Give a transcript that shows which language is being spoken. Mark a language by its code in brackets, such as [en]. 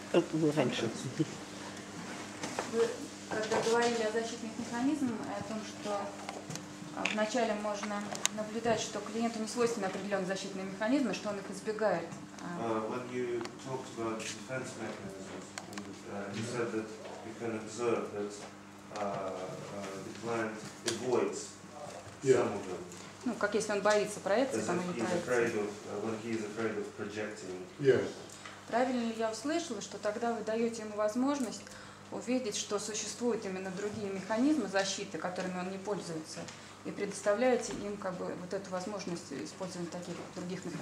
[ru] Вы когда говорили о защитных механизмах, о том, что вначале можно наблюдать, что клиенту не свойственны определенные защитные механизмы, что он их избегает. [en] When you talked about defense mechanisms, you said that you can observe that the client avoids some of them. [ru] Ну, как если он боится проекции, там не проекции. [en] When he is afraid of projecting. Yes. [ru] Правильно ли я услышала, что тогда вы даете ему возможность увидеть, что существуют именно другие механизмы защиты, которыми он не пользуется, и предоставляете им как бы вот эту возможность использования таких других